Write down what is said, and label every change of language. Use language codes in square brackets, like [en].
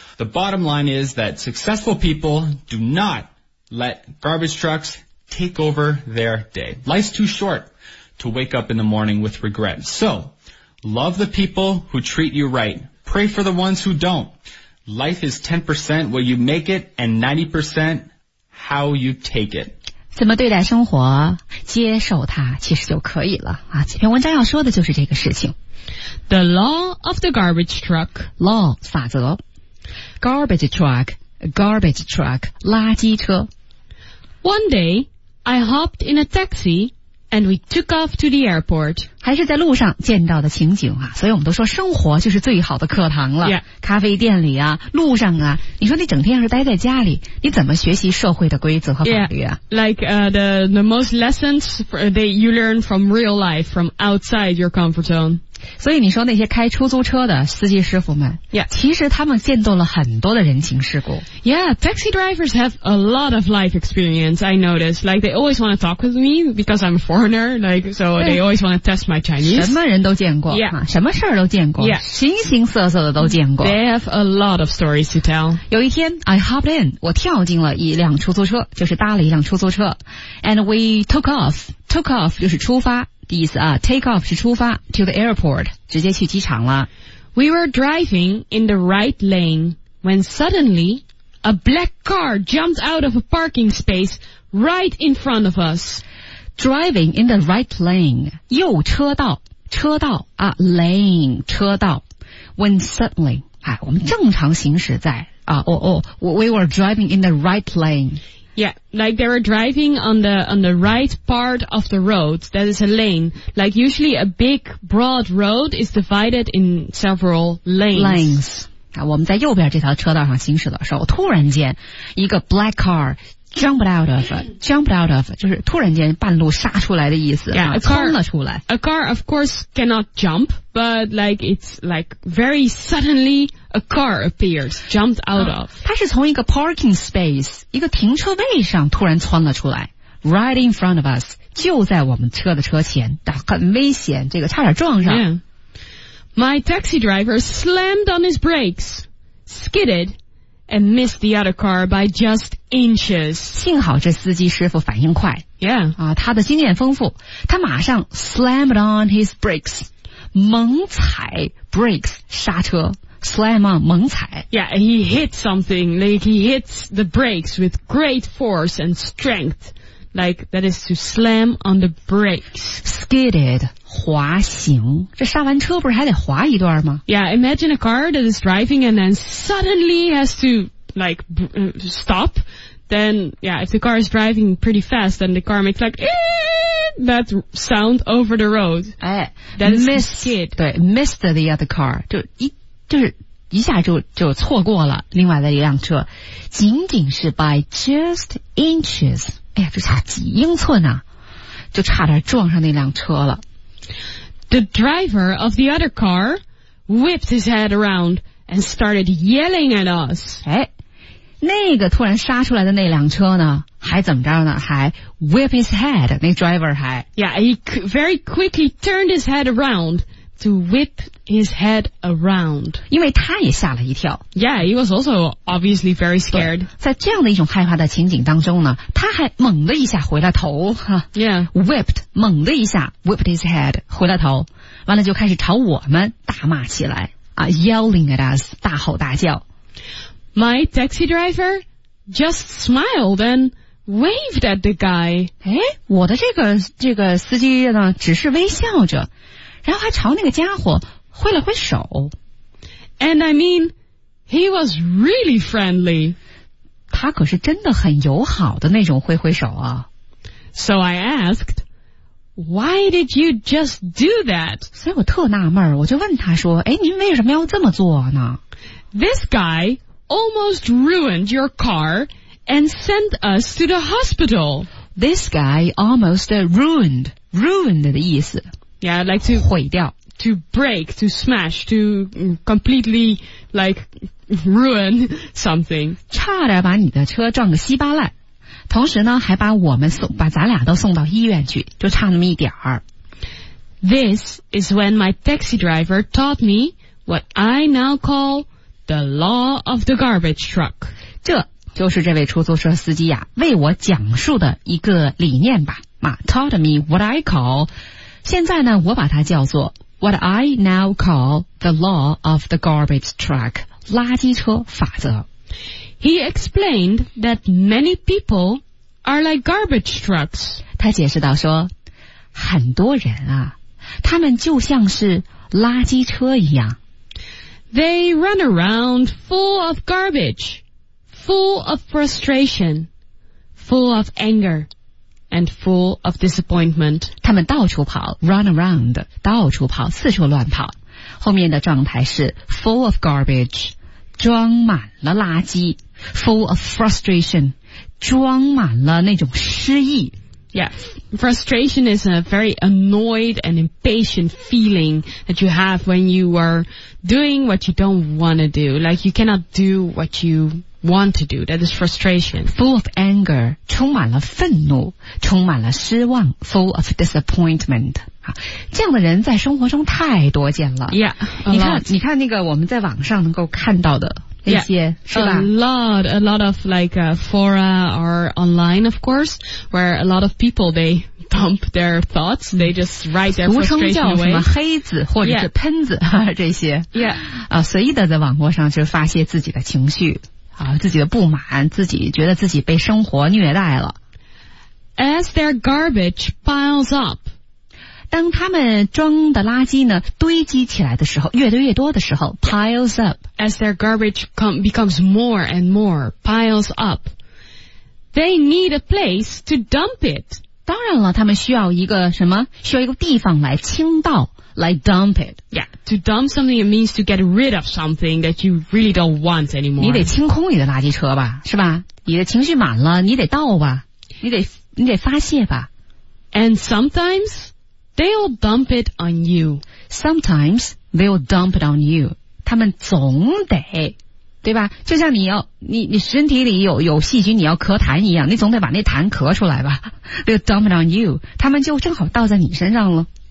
[en] The bottom line is that successful people do not let garbage trucks take over their day. Life's too short to wake up in the morning with regret. So, love the people who treat you right. Pray for the ones who don't. Life is 10% what you make it and 90% how you take it. [zh] 怎么对待生活，接受它其实就可以了。这篇文章要说的就是这个事情。 [en] The law of the garbage truck. [zh] Law, 法则。 [en] Garbage truck, garbage truck, 垃圾车。 One day, I hopped in a taxi and we took off to the airport. [zh] 还是在路上见到的情景啊，所以我们都说生活就是最好的课堂了。 [en] Yeah. [zh] 咖啡店里啊，路上啊，你说你整天要是待在家里，你怎么学习社会的规则和法律啊？ [en] Yeah. Like the most lessons that you learn from real life, from outside your comfort zone. [zh] 所以你说那些开出租车的司机师傅们、 [en] yeah. [zh] 其实他们见到了很多的人情世故。 [en] Yeah, taxi drivers have a lot of life experience, I noticed. Like, they always want to talk with me because I'm a foreigner, like, so they always want to test my Chinese. [zh] 什么人都见过、 [en] yeah. [zh] 什么事儿都见过、 [en] yeah. [zh] 形形色色的都见过。 [en] They have a lot of stories to tell. [zh] 有一天 [en] I hopped in, [zh] 我跳进了一辆出租车，就是搭了一辆出租车。 [en] And we took off. Took off [zh] 就是出发意思啊， [en] take off [zh] 是出发， [en] to the airport [zh] 直接去机场了。 [en] We were driving in the right lane when suddenly a black car jumped out of a parking space right in front of us. Driving in the right lane, [zh] 右车道，车道啊， [en] lane 车道。 When suddenly、 [zh] 啊、我们正常行驶在啊，哦哦， [en] we were driving in the right lane Yeah, like they were driving on the right part of the road. That is a lane. Like usually a big broad road is divided in several lanes. Lanes. [zh] 啊，我们在右边这条车道上行驶的时候，突然间一个 [en] black car jumped out of [zh] 就是突然间半路杀出来的意思。 [en] Yeah, [zh] 啊、冲了出来。 [en] A car of course cannot jump, but like it's like very suddenly. A car appears, jumped out of. [zh] 它是从一个 parking space, 一个停车位上突然窜了出来。 [en] Right in front of us, [zh] 就在我们车的车前，很危险，这个差点撞上。 [en] Yeah. My taxi driver slammed on his brakes, skidded, and missed the other car by just inches. [zh] 幸好这司机师傅反应快。 [en] Yeah. [zh] 啊，他的经验丰富，他马上 [en] slammed on his brakes, [zh] 猛踩 brakes, 刹车。 [en] Slam on, 猛踩。 Yeah, he hit something, like he hits the brakes with great force and strength. Like, that is to slam on the brakes. [zh] Skidded, 滑行。这刹完车不是还得滑一段吗？ [en] Yeah, imagine a car that is driving and then suddenly has to, like, stop. Then, yeah, if the car is driving pretty fast, then the car makes like, that sound over the road. That is skid. [zh] 对 [en] missed the other car. [zh] 就就是一下就错过了另外的一辆车，仅仅是 [en] by just inches, [zh] 哎呀，就差几英寸啊，就差点撞上那辆车了。 [en] The driver of the other car whipped his head around and started yelling at us. [zh] 哎，那个突然杀出来的那辆车呢还怎么着呢还 [en] whip his head, [zh] 那 driver 还 [en] Yeah, he very quickly turned his head around to whip his head around. [zh] 因为他也吓了一跳。 [en] Yeah, he was also obviously very scared. [zh] 在这样的一种害怕的情景当中呢他还猛的一下回了头。 [en] Yeah. Whipped, [zh] 猛的一下 [en] whipped his head, [zh] 回了头。完了就开始朝我们大骂起来。 [en] Yelling at us, [zh] 大吼大叫。 [en] My taxi driver just smiled and waved at the guy. [zh] 诶我的这个司机呢只是微笑着然后还朝那个家伙挥了挥手。 [en] And I mean, he was really friendly. [zh] 他可是真的很友好的那种挥挥手啊。 [en] So I asked, why did you just do that? [zh] 所以我特纳闷我就问他说诶您为什么要这么做呢 [en] ?This guy,Almost ruined your car and sent us to the hospital. This guy almost ruined [zh] 的意思。 [en] Yeah, I'd like to [zh] 毁掉 [en] to break, to smash, to completely like ruin something. [zh] 差点把你的车撞个稀巴烂，同时呢还把我们送把咱俩都送到医院去，就差那么一点儿。 [en] This is when my taxi driver taught me what I now call. The law of the garbage truck. [zh] 这就是这位出租车司机啊为我讲述的一个理念吧。 [en] Taught me what I call, [zh] 现在呢我把它叫做 [en] what I now call the law of the garbage truck, [zh] 垃圾车法则。 [en] He explained that many people are like garbage trucks. [zh] 他解释到说很多人啊他们就像是垃圾车一样。 [en] They run around full of garbage, full of frustration, full of anger, and full of disappointment. [zh] 他们到处跑 , [en] run around, [zh] 到处跑四处乱跑。后面的状态是 [en] full of garbage, [zh] 装满了垃圾 , [en] full of frustration, [zh] 装满了那种失意。 [en] Yeah, frustration is a very annoyed and impatient feeling that you have when you are doing what you don't want to do. Like you cannot do what you want to do. That is frustration. Full of anger, [zh] 充满了愤怒,充满了失望, [en] full of disappointment. [zh] 这样的人在生活中太多见了。 [en] Yeah, [zh] 你看那个我们在网上能够看到的。 [en] A lot of fora or online, of course, where a lot of people, they dump their thoughts, they just write their frustration away. [zh] 俗称叫什么黑子或者是喷子、这些。 [en] Yeah. [zh] 随意的在网络上就发泄自己的情绪、自己的不满自己觉得自己被生活虐待了。 [en] As their garbage piles up, [zh] 当他们装的垃圾呢堆积起来的时候越堆越多的时候 [en] piles up as their garbage becomes more and more piles up they need a place to dump it [zh] 当然了他们需要一个什么需要一个地方来倾倒来 [en] dump it yeah to dump something it means to get rid of something that you really don't want anymore [zh] 你得清空你的垃圾车吧是吧你的情绪满了你得倒吧你得发泄吧 [en] and sometimes They'll dump it on you. Sometimes they'll dump it on you. [zh] 他们总得，对吧？就像你身体里有细菌，你要咳痰一样，你总得把那痰咳出来吧。 [en] They'll dump it on you. [zh] 他们就正好倒在你身上了。